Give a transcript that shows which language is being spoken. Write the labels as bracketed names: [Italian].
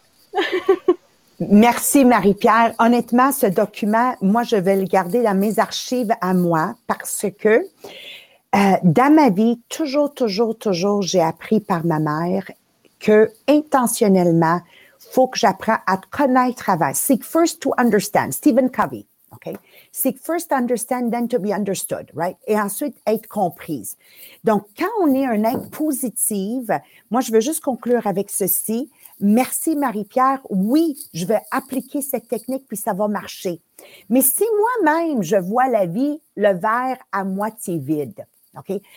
[French] ». Merci Marie-Pierre. Honnêtement, ce document, moi, je vais le garder dans mes archives à moi parce que dans ma vie, toujours, toujours, toujours, j'ai appris par ma mère que intentionnellement, faut que j'apprends à te connaître avant. [English] Seek first to understand. Stephen Covey. Okay? Seek first to understand, then to be understood. Right? [French] Et ensuite, être comprise. Donc, quand on est un être positif, moi, je veux juste conclure avec ceci. Merci Marie-Pierre. Oui, je vais appliquer cette technique puis ça va marcher. Mais si moi-même, je vois la vie, le verre à moitié vide. OK?